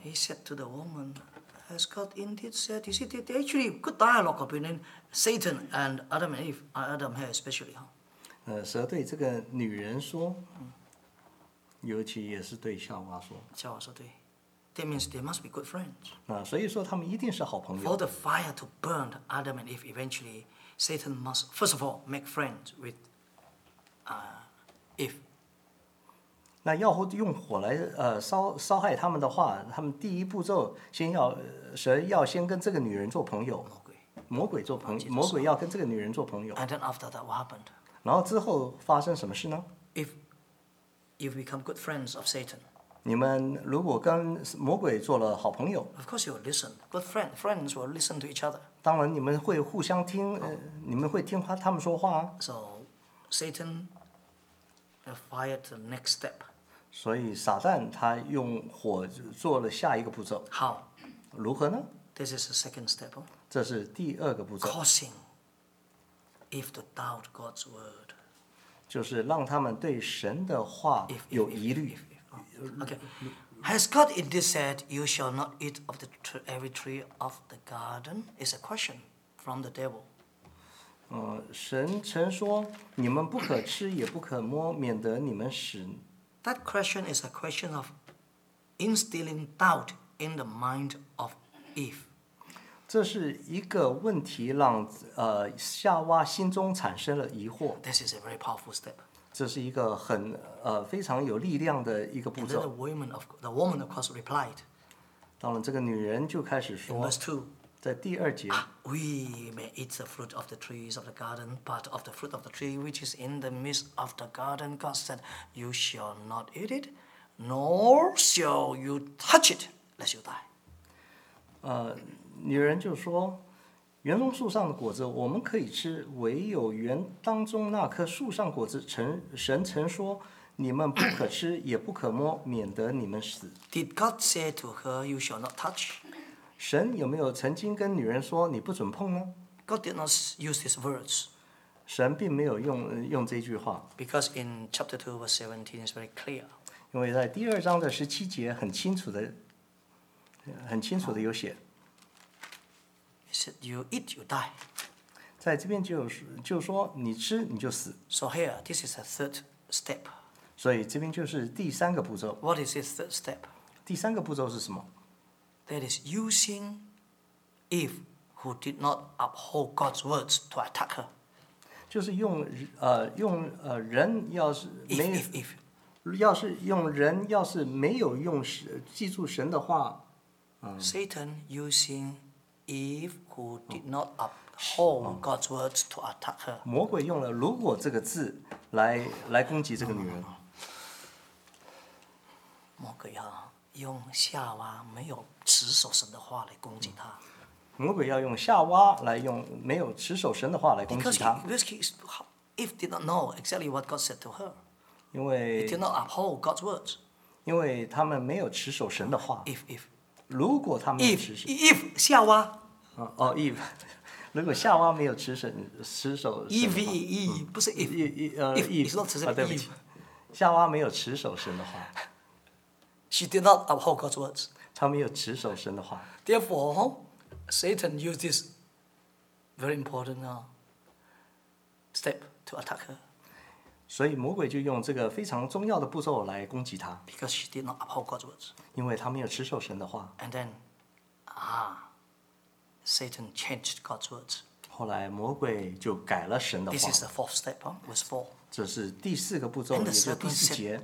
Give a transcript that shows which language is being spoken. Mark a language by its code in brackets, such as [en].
[en] He said to the woman, "Has God indeed said?" You see, there actually good dialogue between Satan and Adam and Eve. Adam here especially. [zh] 蛇对这个女人说，尤其也是对夏娃说。夏娃说对 [en] ，That means they must be good friends. [zh] 所以说他们一定是好朋友。 [en] For the fire to burn Adam and Eve eventually, Satan must first of all make friends with Eve. [zh] 那要用火来烧害他们的话，他们第一步骤先要蛇要先跟这个女人做朋友，魔鬼要跟这个女人做朋友。 [en] And then after that, what happened? [zh] 然后之后发生什么事呢 [en] ？If you become good friends of Satan, [zh] 你们如果跟魔鬼做了好朋友 [en] ，Of course you listen, good friend, friends will listen to each other. [zh] 当然你们会互相听， oh. 你们会听他们说话。 [en] So Satan fired the next step. [zh] 所以撒旦他用火做了下一个步骤。 [en] How? [zh] 如何呢 [en] ？This is the second step. [zh] 这是第二个步骤。 [en] Causing Eve to doubt God's word. [zh] 就是让他们对神的话有疑虑。 [en] Okay. Has God indeed said you shall not eat of the every tree of the garden? It's a question from the devil. [zh] 神曾说你们不可吃也不可摸，免得你们死。 [en] That question is a question of instilling doubt in the mind of Eve. [zh] 这是一个问题，让夏娃心中产生了疑惑。 [en] This is a very powerful step. [zh] 这是一个很非常有力量的一个步骤。 [en] And then the woman of course replied. [zh] 当然，这个女人就开始说。 [en] In verse two, [zh] 在第二节。 [en] We may eat the fruit of the trees of the garden, but of the fruit of the tree which is in the midst of the garden, God said, "You shall not eat it, nor shall you touch it, lest you die." [zh] 女人就说。园中树上的果子我们可以吃，唯有园当中那棵树上果子，神曾说你们不可吃也不可摸，免得你们死。 [en] Did God say to her you shall not touch? [zh] 神有没有曾经跟女人说你不准碰呢？ [en] God did not use his words. [zh] 神并没有 用这句话。 [en] Because in chapter 2 verse 17 is very clear. [zh] 因为在第二章的十七节很清楚的有写。 [en] You eat, you die. [zh] 在这边就说你吃你就死。 [en] So here, this is a third step. [zh] 所以这边就是第三个步骤。 [en] What is this third step? [zh] 第三个步骤是什么？ [en] That is using Eve who did not uphold God's words to attack her. [zh] 就是用人要是没 [en] Eve [zh] 要是用人要是没有用记住神的话。 [en] Satan using Eve who did not uphold God's words to attack her. [zh] 魔鬼用了"如果"这个字来攻击这个女人。魔鬼要用夏娃没有持守神的话来攻击她。魔鬼要用夏娃来用没有持守神的话来攻击她。 [en] Because Eve did not know exactly what God said to her. [zh] 因为 [en] he did not uphold God's words. [zh] 因为他们没有持守神的话。 [en] If. [zh] 如果他没有持守 Eve 夏娃哦 Eve 如果夏娃没有持守 Eve 不是 Eve [en] it's not specific Eve [zh] 夏娃没有持守神的话 [en] She did not uphold God's words [zh] 他没有持守神的话 [en] Therefore Satan used this very important step to attack her [zh] 所以魔鬼就用这个非常重要的步骤来攻击他 [en] Because she did not uphold God's words [zh] 因为他没有持守神的话。 [en] And then, Satan changed God's words. [zh] 后来魔鬼就改了神的话。 [en] This is the fourth step, verse four. [zh] 这是第四个步骤，也就是第四节。